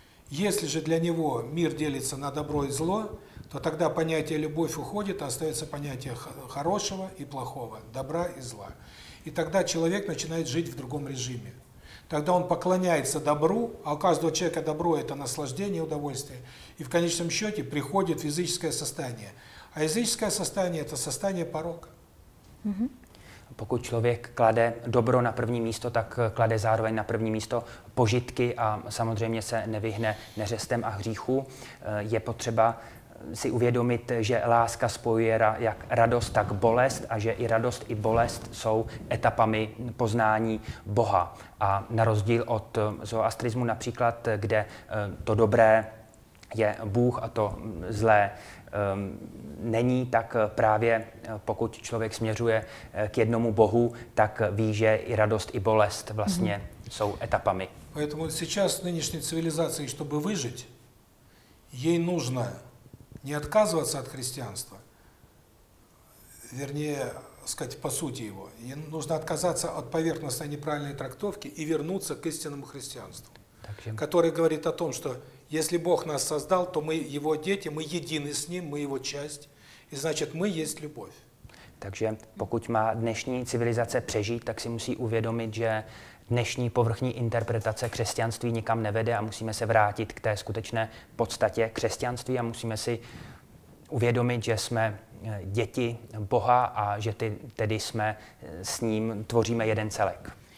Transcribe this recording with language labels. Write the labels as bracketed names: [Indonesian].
[Russian] Если же для него мир делится на добро и зло, то тогда понятие «любовь» уходит, а остается понятие хорошего и плохого, добра и зла. И тогда человек начинает жить в другом режиме. Тогда он поклоняется добру, а у каждого человека добро – это наслаждение, удовольствие. И в конечном счете приходит физическое состояние. А языческое состояние – это состояние порока. [Czech] Pokud člověk klade dobro na první místo, tak klade zároveň na první místo požitky a samozřejmě se nevyhne neřestem a hříchu. Je potřeba si uvědomit, že láska spojuje jak radost, tak bolest a že i radost, i bolest jsou etapami poznání Boha. A na rozdíl od zoroastrismu například, kde to dobré je Bůh a to zlé není, tak právě pokud člověk směřuje k jednomu Bohu, tak ví, že i radost, i bolest vlastně jsou etapami. [Russian] Поэтому сейчас нынешней цивилизации, чтобы выжить, ей нужно не отказываться от христианства, вернее, сказать, по сути его. И нужно отказаться от поверхностной неправильной трактовки и вернуться к истинному христианству, которое говорит о том, что если Бог нас создал, то мы его дети, мы едины с ним, мы его часть, и значит, мы есть любовь. [Czech] Takže pokud má dnešní civilizace přežít, tak si musí uvědomit, že dnešní povrchní interpretace křesťanství nikam nevede a musíme se vrátit k té skutečné podstatě křesťanství a musíme si uvědomit, že jsme děti Boha a že tedy jsme s ním, tvoříme jeden celek.